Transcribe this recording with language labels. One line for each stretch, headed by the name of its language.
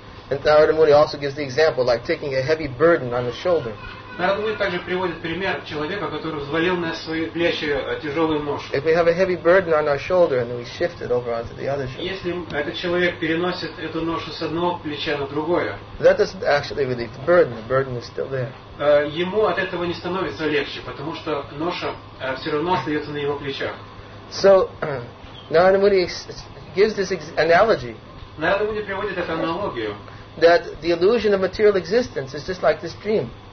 English: And Narada Muni also gives the example like taking a heavy burden on the shoulder.
Russian: Narada Muni также приводит пример человека, который взвалил на свои плечи тяжелую ношу.
English: If we have a heavy burden on our shoulder and then we shift it over onto the other shoulder,
Russian: если этот человек переносит эту ношу с одного плеча на другое,
English: that doesn't actually relieve the burden is still there.
Russian: Ему от этого не становится легче, потому что ноша все равно остается на его плечах.
English: So Narada Muni gives this analogy.
Russian: Narada Muni приводит эту аналогию.
English: that the illusion of material existence is just like this dream.